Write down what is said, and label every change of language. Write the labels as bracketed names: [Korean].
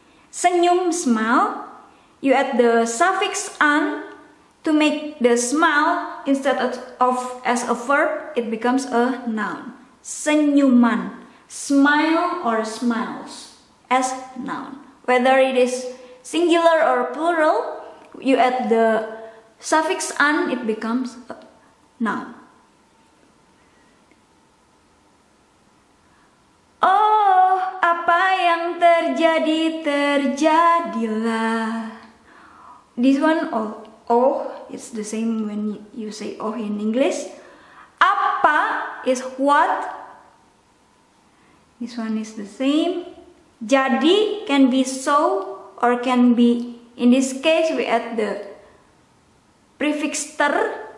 [English] Senyum, smile, you add the suffix an to make the smile, instead of as a verb, it becomes a noun. Senyuman, smile or smiles, as noun. Whether it is singular or plural, you add the suffix an, it becomes a noun. [Indonesian] Oh, apa yang terjadi, terjadilah. [English] This one, oh, it's the same when you say oh in English. Apa is what. This one is the same. Jadi can be so or can be, in this case we add the prefix ter.